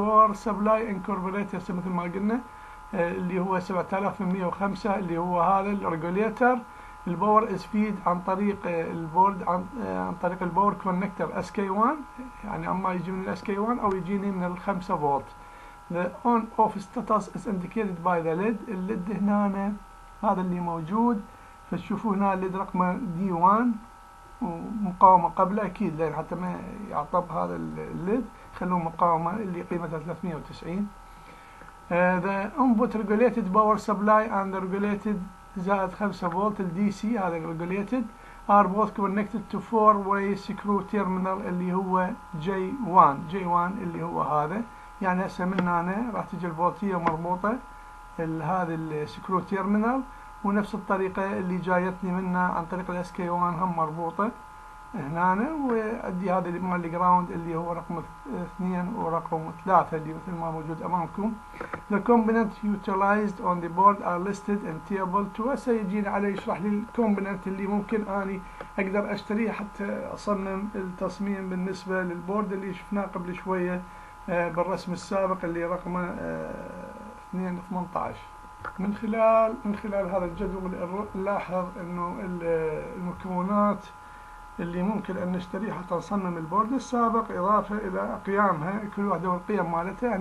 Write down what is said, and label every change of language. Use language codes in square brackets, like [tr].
[ar] الباور سبلاي انكوربوريتد مثل ما قلنا اللي هو 7805 اللي هو هذا الريجوليتر. الباور از فيد عن طريق البورد، عن طريق الباور كونكتر اس كي 1، يعني اما يجي من الاس كي 1 او يجيني من ال 5 فولت. [en] The on-off status is indicated by the LED. [ar] الليد هنا هذا اللي موجود، فتشوفوا هنا الليد رقمه D1 ومقاومة قبله أكيد، لأن حتى ما يعطب هذا الليد خلوه مقاومة اللي قيمتها 390. [en] The input regulated power supply and the regulated [ar] زائد 5 فولت [en] DC، هذا regulated are both connected to 4-way screw terminal [ar] اللي هو J1 اللي هو هذا. يعني هسه من هنا راح تجي الفولتية مربوطة لهذا السكرو تيرمينال، ونفس الطريقة اللي جايتني منها عن طريق الاس كي 1 هم مربوطة هنا. وعندي هذا اللي مال الجراوند اللي هو رقم 2 ورقم 3 اللي مثل ما موجود امامكم. [en] The component utilized on the board are listed in table 2. [ar] هسه يجيني على يشرح لي الكومبوننت اللي ممكن اني اقدر اشتريه حتى اصمم التصميم بالنسبة للبورد اللي شفناه قبل شوية بالرسم السابق اللي رقمه 218. من خلال هذا الجدول نلاحظ انه المكونات اللي ممكن ان نشتريها حتى نصمم البورد السابق اضافة الى قيامها كل واحدة والقيم مالتها.